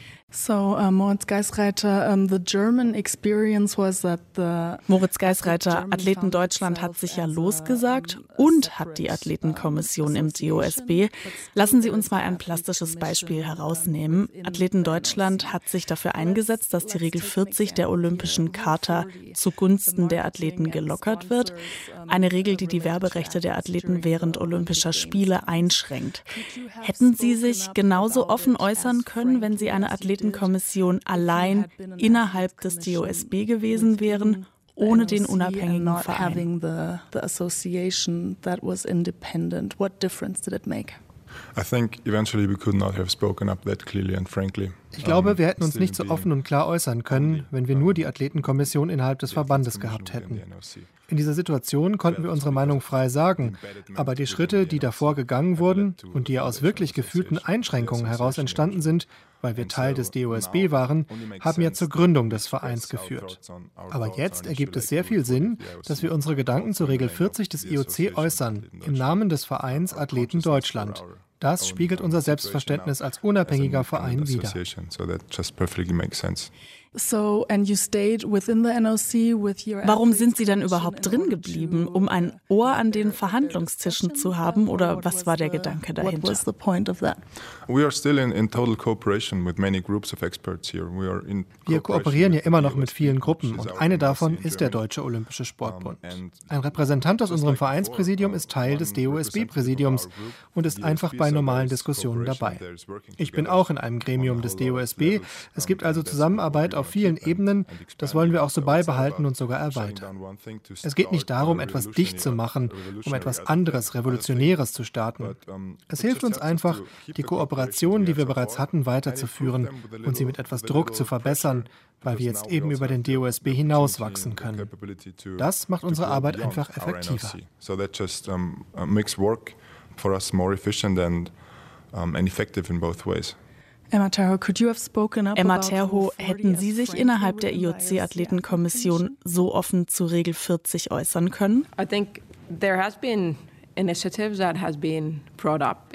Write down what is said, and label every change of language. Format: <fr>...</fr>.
<en>So, Moritz Geisreiter, the German experience was that the</en> <de>Moritz Geisreiter, Athleten Deutschland hat sich ja losgesagt und hat die Athletenkommission im DOSB. Lassen Sie uns mal ein plastisches Beispiel herausnehmen. Athleten Deutschland hat sich dafür eingesetzt, dass die Regel 40 der Olympischen Charta zugunsten der Athleten gelockert wird. Eine Regel, die die Werberechte der Athleten während Olympischer Spiele einschränkt. Hätten Sie sich genauso offen äußern können, wenn Sie eine Athletenkommission allein innerhalb des DOSB gewesen wären, ohne den unabhängigen Verein?</de> <en>The association that was independent. What difference did it make? I think eventually we could not have spoken up that clearly and frankly.</en> <de>Ich glaube, wir hätten uns nicht so offen und klar äußern können, wenn wir nur die Athletenkommission innerhalb des Verbandes gehabt hätten. In dieser Situation konnten wir unsere Meinung frei sagen, aber die Schritte, die davor gegangen wurden und die aus wirklich gefühlten Einschränkungen heraus entstanden sind, weil wir Teil des DOSB waren, haben ja zur Gründung des Vereins geführt. Aber jetzt ergibt es sehr viel Sinn, dass wir unsere Gedanken zur Regel 40 des IOC äußern, im Namen des Vereins Athleten Deutschland. Das spiegelt unser Selbstverständnis als unabhängiger Verein wider.</de> <en>So that just perfectly makes sense. So, and you stayed within the NOC with your.</en> <de>Warum sind Sie dann überhaupt drin geblieben, um ein Ohr an den Verhandlungstischen zu haben, oder was war der Gedanke dahinter?</de> <en>What was the point of that? We are still in total cooperation with many groups of experts here. We are in.</en> <de>Wir kooperieren ja immer noch mit vielen Gruppen, und eine davon ist der Deutsche Olympische Sportbund. Ein Repräsentant aus unserem Vereinspräsidium ist Teil des DOSB-Präsidiums und ist einfach bei normalen Diskussionen dabei. Ich bin auch in einem Gremium des DOSB. Es gibt also Zusammenarbeit auf vielen Ebenen, das wollen wir auch so beibehalten und sogar erweitern. Es geht nicht darum, etwas dicht zu machen, um etwas anderes, Revolutionäres zu starten. Es hilft uns einfach, die Kooperation, die wir bereits hatten, weiterzuführen und sie mit etwas Druck zu verbessern, weil wir jetzt eben über den DOSB hinaus wachsen können. Das macht unsere Arbeit einfach effektiver.</de> <en>So that just makes work for us more efficient and effective in both ways. Emma Terho, could you have spoken up</en> <de>Emma Terho, hätten Sie sich innerhalb der IOC-Athletenkommission so offen zu Regel 40 äußern können?</de> <en>I think there has been initiatives that has been brought up.</en>